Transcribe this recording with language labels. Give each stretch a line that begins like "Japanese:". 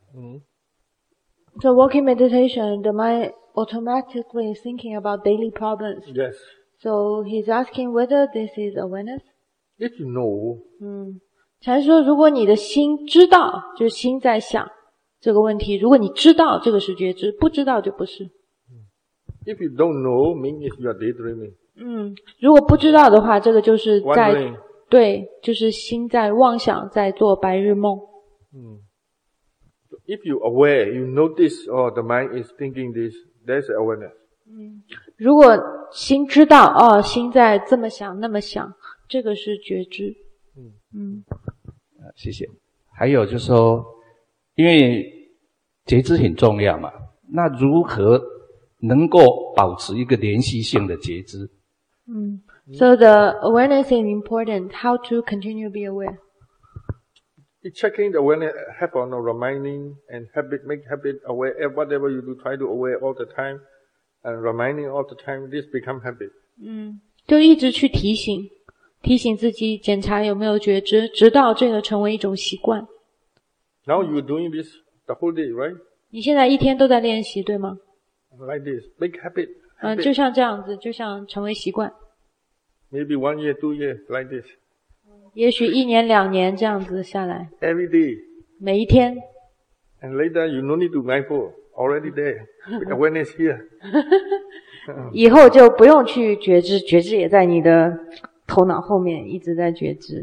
English: 嗯。So walking meditation, the mind automatically thinking about daily problems. Yes. So he's asking whether this is awareness. If you know.
Chinese: 禅说如果你的心知道，就是心在想这个问题，如果你知道这个是觉知，不知道就不是。
English: If you don't know, means you are daydreaming.
Chinese: 如果不知道的话，这个就是在、
English: Wondering.
Chinese: 对，就是心在妄想，在做白日梦。
English: If you aware, you notice, oh, the mind is thinking this, that's awareness.
Chinese: 如果心知道，哦，心在这么想，那么想，这个是觉知。谢谢。还有就是说，因为觉知很重要嘛，那如何能够保持一个连续性的觉知？
English: So the awareness is important. How to continue be aware? Checking the awareness happen or reminding and habit, make habit aware. Whatever you do, try to aware all the time and reminding all the time. This become habit.
Chinese: 就一直去提醒，提醒自己检查有没有觉知，直到这个成为一种习惯。
English: Now you doing this the whole day, right?
Chinese: 你现在一天都在练习，对吗？
English: Like this, make habit.
Chinese: 就像这样子，就像成为习惯。
English: Maybe 1 year, 2 years, like this.
Chinese: 也许一年两年这样子下来。
English: Every day.
Chinese: 每一天。
English: And later you no need to mindful, already there. The awareness here.
Chinese: 以后就不用去觉知，觉知也在你的头脑后面一直在觉知。